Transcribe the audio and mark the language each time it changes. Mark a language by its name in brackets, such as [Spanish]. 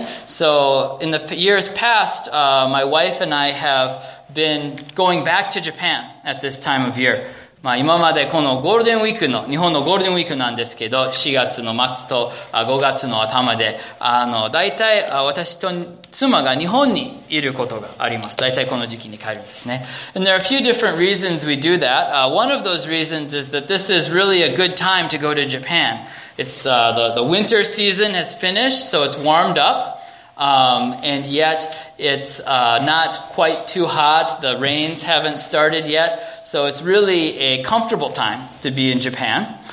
[English] So in the years past, my wife and I have been going back to Japan at this time of year. [Japanese] まあ今までこのゴールデンウィークの日本のゴールデンウィークなんですけど 4月の末と5月の頭で、あの、大体私と妻が日本にいることがあります。大体この時期に帰るんですね。 [English] And there are a few different reasons we do that. One of those reasons is that this is really a good time to go to Japan. It's the winter season has finished, so it's warmed up. And yet it's not quite too hot. The rains haven't started yet. So it's really a comfortable time to be in Japan.